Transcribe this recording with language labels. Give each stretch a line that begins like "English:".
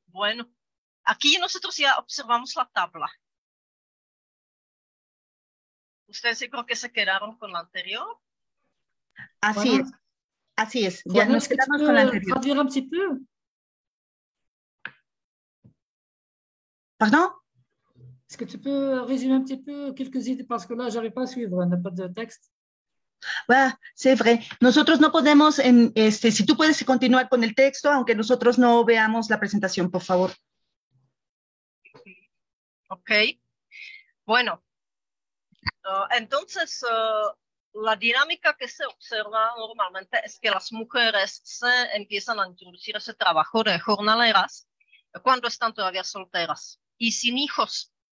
Spanish: Bueno, aquí nosotros ya observamos la tabla. Ustedes creo que se quedaron con la anterior. Así bueno, es. Así es. Ya nos quedamos con la anterior. ¿Puedo traducir un poquito? ¿Perdón?
French: Est-ce que tu peux résumer un petit peu quelques idées parce que là, j'arrive pas à suivre, n'a pas de texte. Bah, c'est vrai.
Spanish: Nosotros no podemos, si tú puedes continuar con el texto, aunque nosotros no veamos la presentación, por favor. Ok. Bueno, entonces, la dinámica que se observa normalmente es que las mujeres se empiezan a introducir ese trabajo de jornaleras cuando están todavía solteras y sin hijos.